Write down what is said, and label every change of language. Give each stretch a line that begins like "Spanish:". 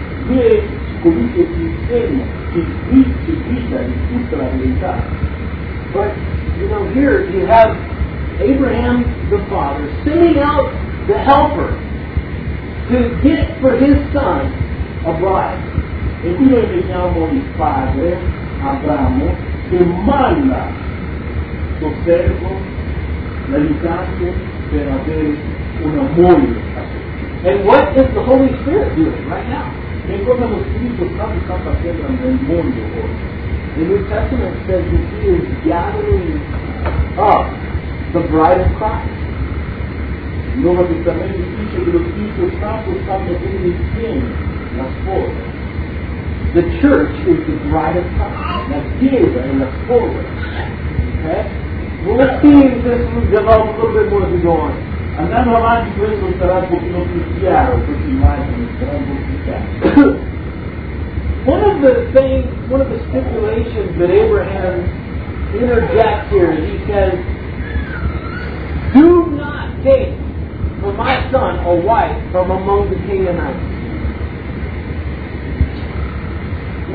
English: He is
Italian: colui che ci insegna, ci guida, ci guida in tutta la verità.
English: But, you know, here you have Abraham the father sending out the helper to get for his son a bride.
Italian: E qui noi vediamo il padre, Abramo, che manda suo servo l'aiutante per avere una moglie.
English: And what is the Holy Spirit doing right now?
Italian: E cosa lo Spirito Santo sta facendo nel mondo ora?
English: The New Testament says that he is gathering up the bride of Christ.
Italian: Il Nuovo Testamento dice che lo Spirito Santo sta mettendo insieme la sposa.
English: The church is the bride of Christ.
Italian: La chiesa è la sposa.
English: Well, let's see if this will develop a little bit more as we go on.
Italian: Andando avanti, questo sarà un pochino più chiaro, questa immagine sarà un po' più chiaro.
English: One of the things, one of the stipulations that Abraham interjects here is he says, do not take for my son a wife from among the Canaanites.